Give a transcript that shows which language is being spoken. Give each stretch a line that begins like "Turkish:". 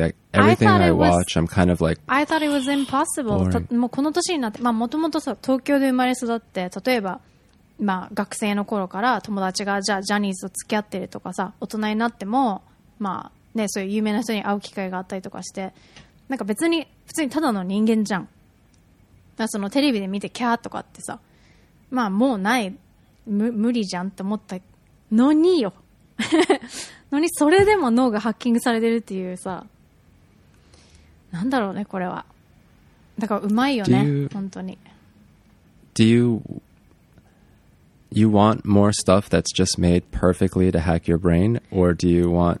English: Like, everything I watch, I'm kind of like, I thought it was impossible.
Japanese: もうこの年になって、まあもともとさ、東京で生まれ育って、例えば、まあ学生の頃から友達がじゃあジャニーズと付き合ってるとかさ、大人になっても、まあね、そういう有名な人に会う機会があったりとかして、なんか別に、普通にただの人間じゃん。だからそのテレビで見てキャーとかってさ、まあもうない、無理じゃんって思ったのによ。のにそれでも脳がハッキングされてるっていうさ、なんだろうねこれは。だからうまいよね、本当に。
English: Do you want more stuff that's just made perfectly to hack your brain, or do you want?